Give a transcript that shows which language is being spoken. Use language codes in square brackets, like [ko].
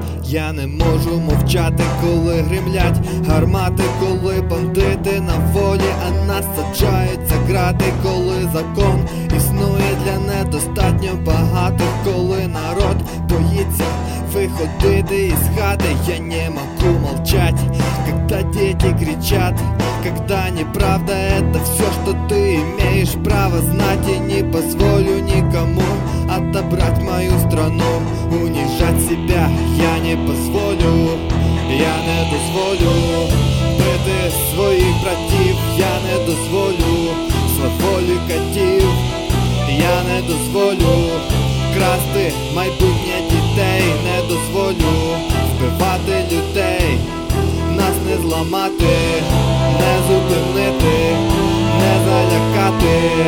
[uk] Я не можу мовчати, коли гремлять гармати, коли бандити на волі, а нас саджаються грати, коли закон існує для недостатньо багатих, коли народ боїться виходити із хати. [ru] Я не могу молчать, когда [uk] діти кричать, [ru] когда неправда, это все, что ты имеешь право знать. Я не позволю никому отобрать мою страну, унижать себя я не позволю, [uk] я не дозволю. Бити своих братів я не дозволю, свободу катів я не дозволю, красти майбутнє дітей не дозволю, вбивати людей нас не зламати, не зупинити, не залякати.